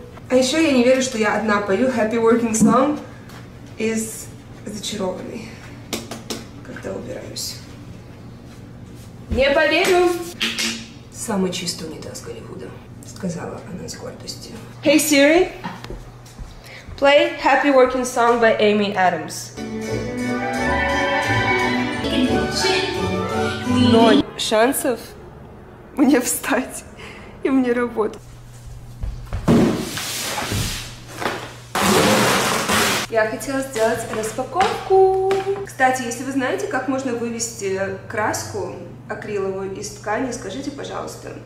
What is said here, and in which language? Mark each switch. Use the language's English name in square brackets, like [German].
[Russian] А еще я не верю, что я одна пою. Happy Working Song из «Зачарованный», когда убираюсь. Не поверю! Самый чистый унитаз Голливуда, сказала она с гордостью. [English] Hey Siri, play Happy Working Song by Amy Adams. [Russian] Ноль шансов мне встать и мне работать. Я хотела сделать распаковку. Кстати, если вы знаете, как можно вывести краску акриловую из ткани, скажите, пожалуйста.